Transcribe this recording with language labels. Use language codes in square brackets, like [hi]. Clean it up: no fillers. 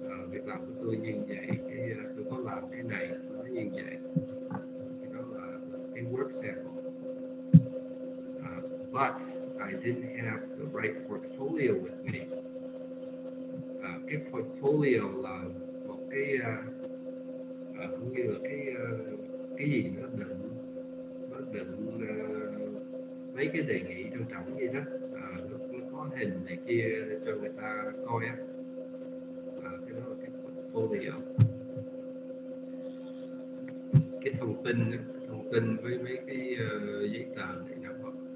[vi] Việc làm của tôi như vậy, tôi có làm cái này nó như vậy, thì đó là cái work sample. [en] But I didn't have the right portfolio with me. [vi] Cái portfolio là một cái cũng như là cái gì nó định, nó định mấy cái đề nghị trong trọng gì đó. Nó có hình này kia cho người ta coi á. Cái đó là cái portfolio, cái thông tin đó, thông tin với mấy cái giấy tờ này nó có.